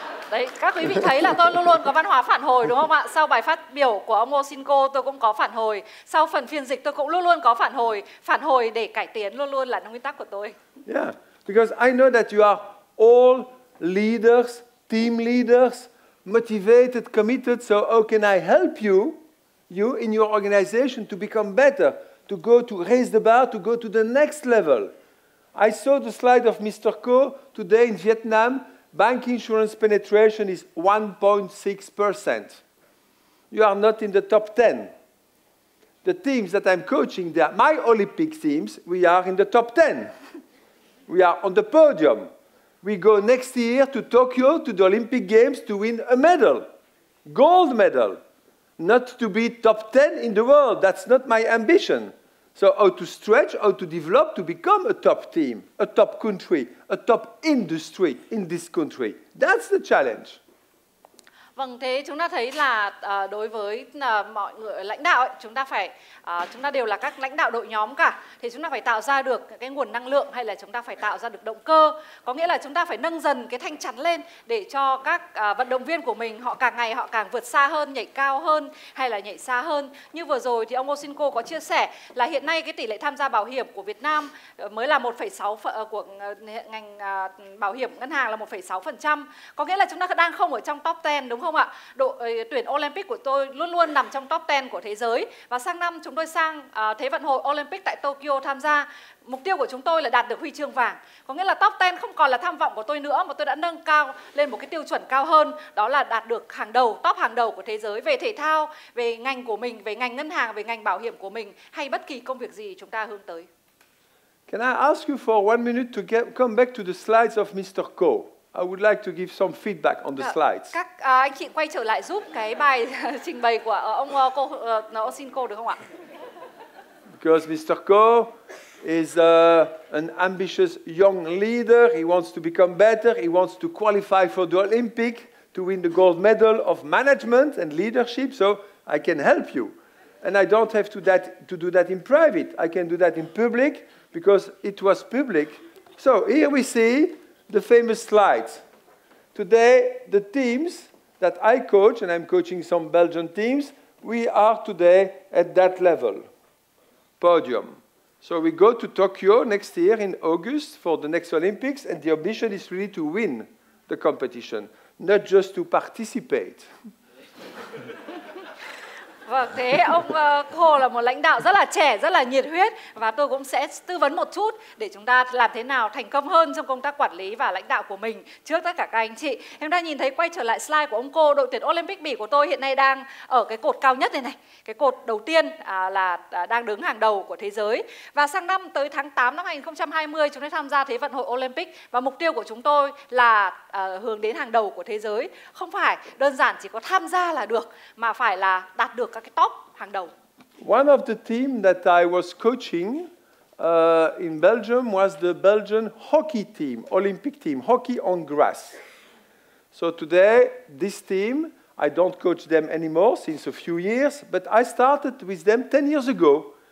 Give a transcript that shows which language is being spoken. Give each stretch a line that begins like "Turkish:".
Vietnamese: Đấy, các quý vị thấy là tôi luôn luôn có văn hóa phản hồi, đúng không ạ? Sau bài phát biểu của ông Osinko tôi cũng có phản hồi. Sau phần phiên dịch tôi cũng luôn luôn có phản hồi. Phản hồi để cải tiến luôn luôn là nguyên tắc của tôi.
English: Yeah, because I know that you are all leaders, team leaders, motivated, committed. So how can I help you in your organization to become better, to go to raise the bar, to go to the next level? I saw the slide of Mr. Co today in Vietnam. Bank insurance penetration is 1.6%. You are not in the top 10. The teams that I'm coaching, they are my Olympic teams, we are in the top 10. We are on the podium. We go next year to Tokyo to the Olympic Games to win a medal, gold medal, not to be top 10 in the world. That's not my ambition. So how to stretch, how to develop to become a top team, a top country, a top industry in this country. That's the challenge.
Vietnamese: Vâng, thế chúng ta thấy là đối với mọi người lãnh đạo ấy, chúng ta phải chúng ta đều là các lãnh đạo đội nhóm cả, thì chúng ta phải tạo ra được cái nguồn năng lượng, hay là chúng ta phải tạo ra được động cơ, có nghĩa là chúng ta phải nâng dần cái thanh chắn lên để cho các vận động viên của mình họ càng ngày họ càng vượt xa hơn, nhảy cao hơn hay là nhảy xa hơn. Như vừa rồi thì ông Osinko có chia sẻ là hiện nay cái tỷ lệ tham gia bảo hiểm của Việt Nam mới là 1,6 của ngành bảo hiểm ngân hàng là 1,6%, có nghĩa là chúng ta đang không ở trong top 10 đúng không ạ? Đội tuyển Olympic của tôi luôn luôn nằm trong top 10 của thế giới, và sang năm chúng tôi sang Thế vận hội Olympic tại Tokyo tham gia, mục tiêu của chúng tôi là đạt được huy chương vàng. Có nghĩa là top 10 không còn là tham vọng của tôi nữa, mà tôi đã nâng cao lên một cái tiêu chuẩn cao hơn, đó là đạt được hàng đầu, top hàng đầu của thế giới về thể thao, về ngành của mình, về ngành ngân hàng, về ngành bảo hiểm của mình, hay bất kỳ công việc gì chúng ta hướng tới.
English: Can I ask you for one minute to come back to the slides of Mr. Co? I would like to give some feedback on the slides.
Vietnamese: Các anh chị quay trở lại giúp cái bài trình bày của ông cô nó xin cô được không ạ?
English: Because Mr. Co is an ambitious young leader. He wants to become better. He wants to qualify for the Olympic to win the gold medal of management and leadership. So I can help you. And I don't have to do that in private. I can do that in public because it was public. So here we see the famous slides. Today, the teams that I coach, and I'm coaching some Belgian teams, we are today at that level. Podium. So we go to Tokyo next year in August for the next Olympics, and the ambition is really to win the competition, not just to participate.
Vietnamese: Vâng, thế ông Hồ là một lãnh đạo rất là trẻ, rất là nhiệt huyết, và tôi cũng sẽ tư vấn một chút để chúng ta làm thế nào thành công hơn trong công tác quản lý và lãnh đạo của mình trước tất cả các anh chị. Em đang nhìn thấy quay trở lại slide của ông cô, đội tuyển Olympic Bỉ của tôi hiện nay đang ở cái cột cao nhất này, cái cột đầu tiên là đang đứng hàng đầu của thế giới. Và sang năm tới tháng 8 năm 2020, chúng ta tham gia Thế vận hội Olympic, và mục tiêu của chúng tôi là hướng đến hàng đầu của thế giới. Không phải đơn giản chỉ có tham gia là được, mà phải là đạt được các cái top hàng đầu.
English: One of the team that I was coaching in Belgium was the Belgian hockey team, Olympic team, hockey on grass. So today, this team, I don't coach them anymore since a few years, but I started with them 10 years ago.